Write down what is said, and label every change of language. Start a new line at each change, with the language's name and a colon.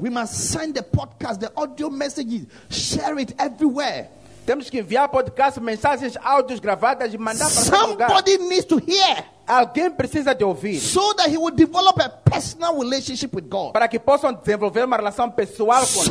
English: We must send the podcast, the audio messages, share it everywhere.
Portuguese: Temos que enviar podcast, mensagens, áudios gravadas e mandar para
English: somebody
Portuguese: lugar.
English: Needs to hear.
Portuguese: Alguém precisa de ouvir.
English: So that he will develop a personal relationship with God.
Portuguese: Para que possam desenvolver uma relação pessoal com